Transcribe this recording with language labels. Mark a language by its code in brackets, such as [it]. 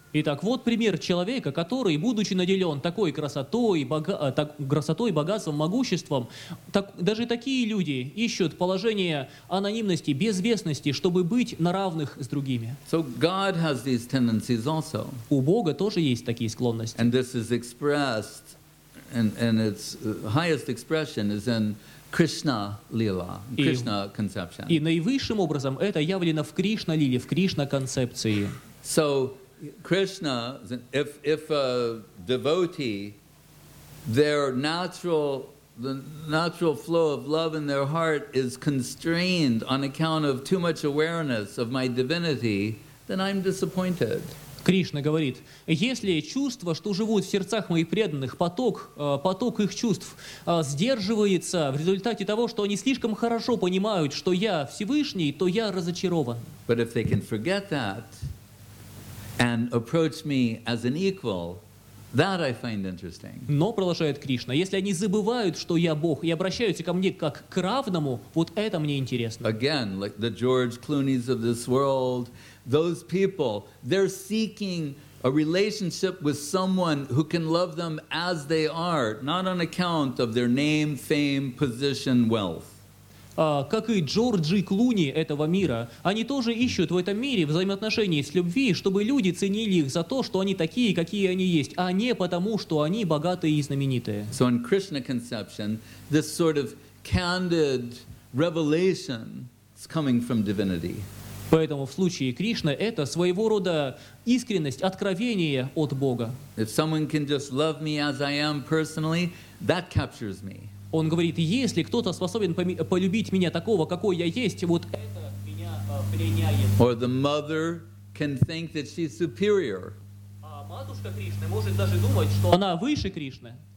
[ru] Итак, вот пример человека, который, будучи наделен такой красотой, красотой, богатством, могуществом, даже такие люди ищут положение анонимности, безвестности, чтобы быть на равных с другими. [en] So God has these tendencies also. [ru] У Бога тоже есть такие склонности. [en] And this is expressed, and its highest expression is in Krishna lila, Krishna conception. [ru] И наивысшим образом это явлено в Кришна лиле, в Кришна концепции. [en] So Krishna, if a devotee, the natural flow of love in their heart is constrained on account of too much awareness of my divinity, then I'm disappointed. [ru] Кришна говорит, если чувства, что живут в сердцах моих преданных, поток их чувств сдерживается в результате того, что они слишком хорошо понимают, что я Всевышний, то я разочарован. [en] But if they can forget that and approach me as an equal, that I find interesting. [ru] Но продолжает Кришна, если они забывают, что я Бог, и обращаются ко мне как к равному, вот это мне интересно. [en] Again, like the George Clooney's of this world, those people, they're seeking a relationship with someone who can love them as they are, not on account of their name, fame, position, wealth. [ru] Как и Джорджи Клуни этого мира, они тоже ищут в этом мире взаимоотношений с любви, чтобы люди ценили их за то, что они такие, какие они есть, а не потому, что они богатые и знаменитые. [en] So in Krishna conception, this sort of candid revelation is coming from divinity. [ru] Поэтому в случае Кришны это своего рода искренность, откровение от Бога. [en] If someone can just love me as I am personally, that captures me. [ru] Он говорит, если кто-то способен полюбить меня такого, какой я есть, вот это меня пленяет. [en] Or the mother can think that she's superior. [ru] А матушка Кришны может даже думать, что она выше Кришны.